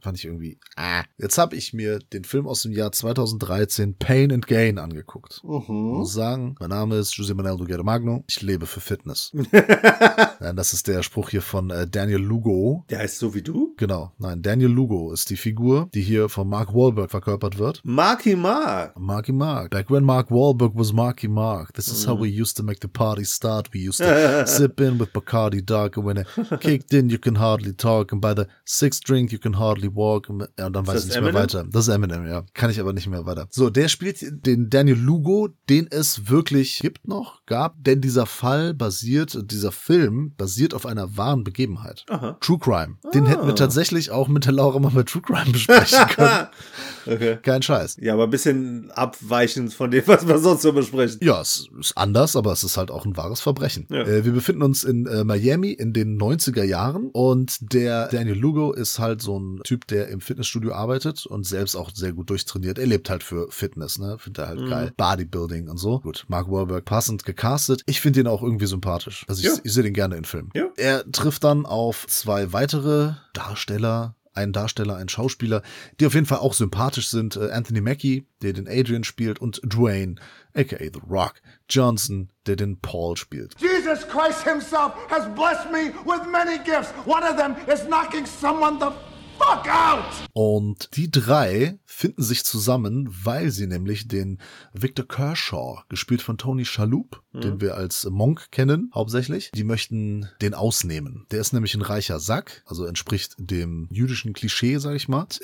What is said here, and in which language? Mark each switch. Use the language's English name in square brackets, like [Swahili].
[German] Fand ich irgendwie, Jetzt habe ich mir den Film aus dem Jahr 2013 Pain and Gain angeguckt. Muss sagen, mein Name ist José Manuel do Guerra-Magno. Ich lebe für Fitness. Nein, das ist der Spruch hier von Daniel Lugo. Der heißt so wie du? Genau. Nein, Daniel Lugo ist die Figur, die hier von Mark Wahlberg verkörpert wird. Marky Mark. Marky Mark. [English] Back when Mark Wahlberg was Marky Mark. This is how we used to make the party start. We used to sip in with Bacardi Dark. And when it kicked in, you can hardly talk. And by the sixth drink, you can hardly walk. [German] Ja, und dann weiß ich nicht mehr weiter. Das ist Eminem, ja. Kann ich aber nicht mehr weiter. So, der spielt den Daniel Lugo, den es wirklich gibt noch, gab. Denn dieser Fall basiert, dieser Film basiert auf einer wahren Begebenheit. Aha. True Crime. Den hätten wir tatsächlich auch mit der Laura mal bei True Crime besprechen können. Okay. Kein Scheiß. Ja, aber ein bisschen abweichend von dem, was wir sonst so besprechen. Ja, es ist anders, aber es ist halt auch ein wahres Verbrechen. Ja. Wir befinden uns in Miami in den 90er Jahren und der Daniel Lugo ist halt so ein Typ, der im Fitnessstudio arbeitet und selbst auch sehr gut durchtrainiert. Er lebt halt für Fitness, ne? Findet er halt geil. Bodybuilding und so. Gut, Mark Wahlberg passend gecastet. Ich finde ihn auch irgendwie sympathisch. Also ich sehe den gerne in Filmen. Ja. Er trifft dann auf zwei weitere Darsteller. Ein Darsteller, ein Schauspieler, die auf jeden Fall auch sympathisch sind. Anthony Mackie, der den Adrian spielt, und Dwayne, aka The Rock Johnson, der den Paul spielt. [English] Jesus Christ himself has blessed me with many gifts. One of them is knocking someone the fuck out. [German] Und die drei finden sich zusammen, weil sie nämlich den Victor Kershaw, gespielt von Tony Shalhoub, den wir als Monk kennen, hauptsächlich, die möchten den ausnehmen. Der ist nämlich ein reicher Sack, also entspricht dem jüdischen Klischee, sag ich mal.